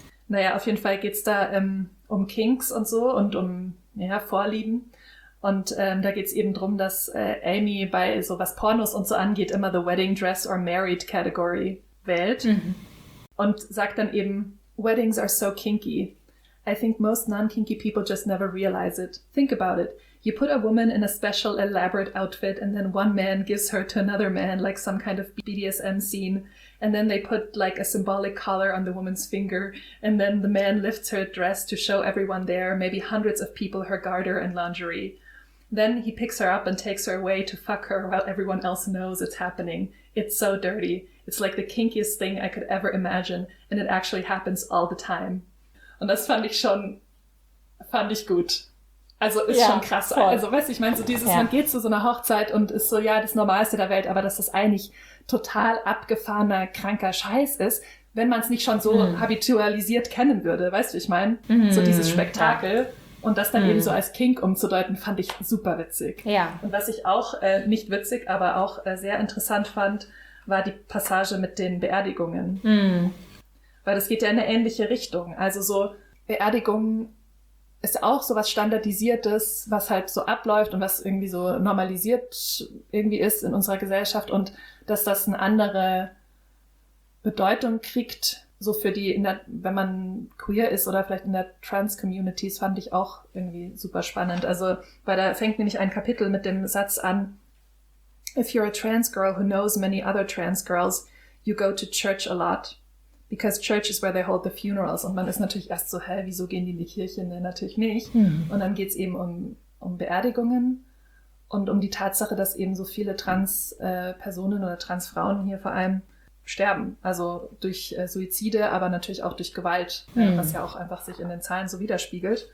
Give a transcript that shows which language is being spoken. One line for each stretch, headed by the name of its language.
German: Naja, auf jeden Fall geht es da um Kinks und so und um Vorlieben. Und da geht es eben darum, dass Amy bei so was Pornos und so angeht, immer
English: the wedding dress or married category
German: wählt. Und sagt dann eben,
English: weddings are so kinky. I think most non-kinky people just never realize it. Think about it. You put a woman in a special elaborate outfit and then one man gives her to another man like some kind of BDSM scene. And then they put like a symbolic collar on the woman's finger. And then the man lifts her dress to show everyone there, maybe hundreds of people, her garter and lingerie. Then he picks her up and takes her away to fuck her while everyone else knows it's happening. It's so dirty. It's like the kinkiest thing I could ever imagine. And it actually happens all the time.
German: Und das fand ich gut. Also ist schon krass. Voll. Also weißt du, ich meine, so dieses, man geht zu so einer Hochzeit und ist so, ja, das Normalste der Welt, aber dass das eigentlich total abgefahrener, kranker Scheiß ist, wenn man es nicht schon so habitualisiert kennen würde, weißt du, ich meine, so dieses Spektakel und das dann eben so als Kink umzudeuten, fand ich super witzig. Ja. Und was ich auch nicht witzig, aber auch sehr interessant fand, war die Passage mit den Beerdigungen. Weil das geht ja in eine ähnliche Richtung. Also so Beerdigung ist auch so was Standardisiertes, was halt so abläuft und was irgendwie so normalisiert irgendwie ist in unserer Gesellschaft. Und dass das eine andere Bedeutung kriegt, so für die, wenn man queer ist oder vielleicht in der Trans-Community, fand ich auch irgendwie super spannend. Also weil da fängt nämlich ein Kapitel mit dem Satz an,
English: if you're a trans girl who knows many other trans girls, you go to church a lot. Because church is where they hold the funerals.
German: Und man ist natürlich erst so, hä, wieso gehen die in die Kirche? Nee, natürlich nicht. Und dann geht es eben um Beerdigungen und um die Tatsache, dass eben so viele Trans-Personen oder Trans-Frauen hier vor allem sterben. Also durch Suizide, aber natürlich auch durch Gewalt, was ja auch einfach sich in den Zahlen so widerspiegelt.